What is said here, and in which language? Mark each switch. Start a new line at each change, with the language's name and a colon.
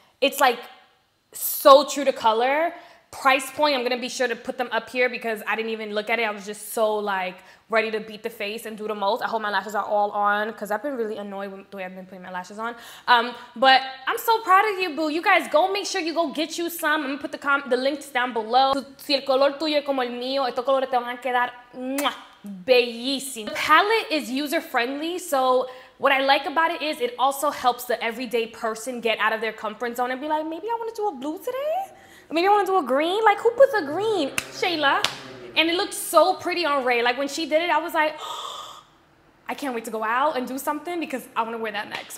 English: It's like so true to color. Price point, I'm gonna be sure to put them up here because I didn't even look at it. I was just so like ready to beat the face and do the most. I hope my lashes are all on because I've been really annoyed with the way I've been putting my lashes on. But I'm so proud of you, boo. You guys go make sure you go get you some. I'm gonna put the links down below.
Spanish: Si el color tuyo es como el mío, estos colores te van a quedar bellísimo.
English: The palette is user friendly, so what I like about it is it also helps the everyday person get out of their comfort zone and be like, maybe I want to do a blue today. Maybe I want to do a green. Like, who puts a green? Shayla. And it looks so pretty on Ray. Like, when she did it, I was like, oh, I can't wait to go out and do something because I want to wear that next.